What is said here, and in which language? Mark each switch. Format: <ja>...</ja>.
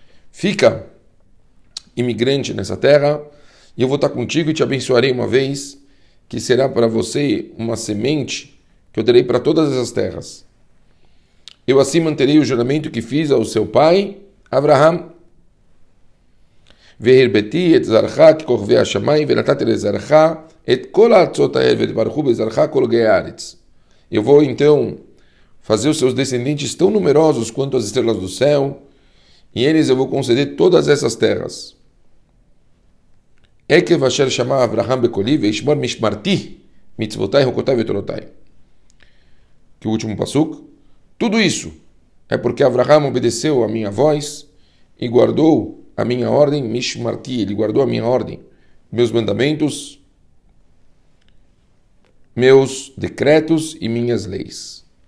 <pt>Fica, imigrante nessa terra, e eu vou estar contigo e te abençoarei uma vez, que será para você uma semente que eu darei para todas essas terras. Eu assim manterei o juramento que fiz ao seu pai, Avraham.</pt> <he>והרביתי את זרחה ככוכבי השמיים ונתתי לזרחה את כל הארצות האלה וברכו בזרחה כל גאי הארץ.</he> <pt>Eu vou então fazer os seus descendentes tão numerosos quanto as estrelas do céu, e eles eu vou conceder todas essas terras.</pt> <he>עקב אשר שמע אברהם בקולי וישמור משמרתי מצוותי חוקותי ותורותי.</he> <pt>Que o último passuk? Tudo isso é porque Abraão obedeceu a minha voz e guardou a minha ordem, Mishmarti, ele guardou a minha ordem, meus mandamentos, meus decretos e minhas leis.</pt>